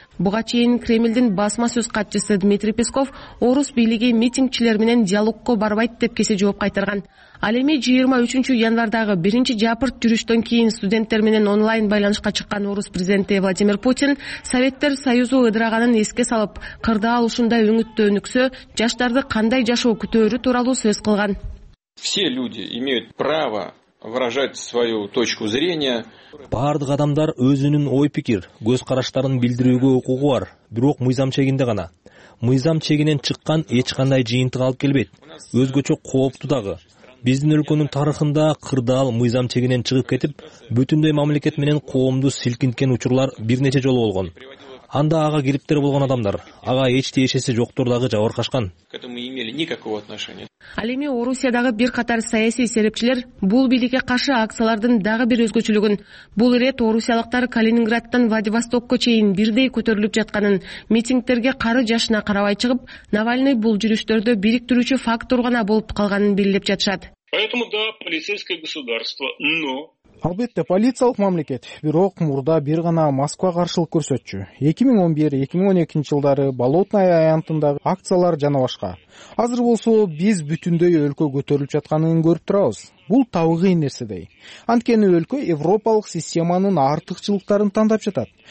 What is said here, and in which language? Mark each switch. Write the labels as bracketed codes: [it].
[ky] Буга чейин Кремлдин басма сөз катчысы Дмитрий Песков орус бийлиги митингчилер менен диалогко барбайт деп кесе жооп кайтарган. Ал эми 23 январдагы 1-жапырт жүрүштөн кийин студенттер менен онлайн байланышка чыккан орус президенти Владимир Путин Советтер Союзу ыдыраганын эске салып, кырдаал ушундай өңүттө өнүксө, жаштарды кандай жашоо күтөөрү тууралуу сөз кылган. [ru] Все люди имеют право выражать свою точку зрения. [ky] Бардык адамдар өзүнүн ой пикир, көз караштарын билдирүүгө укугу бар, бирок мыйзам чегинде гана. Мыйзам чегинен чыккан эч кандай жыйынтык алып келбейт. Өзгөчө кооптуу дагы. Биздин өлкөнүн тарыхында кырдаал мыйзам чегинен чыгып кетип, бүтүндөй мамлекет менен коомду силкинткен учурлар бир нече жолу болгон. Анда ага кириптер болгон адамдар, ага эч тиешеси жоктур дагы жабыркашкан. Ал эми Орусиядагы бир катар саясий серепчилер бул бийликке каршы акциялардын дагы бир өзгөчөлүгүн, бул ирет орусиялыктар Калининградтан Владивостокко чейин бирдей көтөрүлүп жатканын, митингтерге кары жашына карабай чыгып, Навальный бул жүрүштөрдө бириктирүүчү фактор гана болуп калганын билдирип жатышат. [ru] Поэтому да, полицейское государство, но... [ky] Албетте, полициялык мамлекет, бирок мурда бир гана Москва каршылык көрсөтчү. 2011-2012 жылдары Болотная аянтындагы акциялар жана башка. Азыр болсо биз бүтүндөй өлкө көтөрүлүп жатканын көрүп турабыз. Бул табигый нерседей. Анткени өлкө европалык системанын артыкчылыктарын тандап жатат.